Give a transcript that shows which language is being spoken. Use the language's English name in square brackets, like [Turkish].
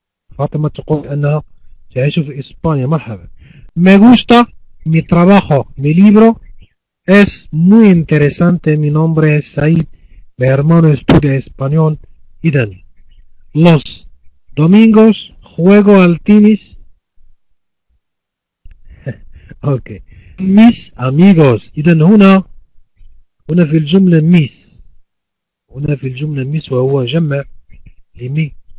[Arabic] فاطمة تقول أنها تعيش في إسبانيا، مرحبا. [Spanish] Me gusta mi trabajo, mi libro es muy interesante, mi nombre es Said, mi hermano estudia español. إذا los domingos juego al tenis. Okay. Mis amigos. [Arabic] إذا هنا في الجملة ميس، وهو جمع لمي.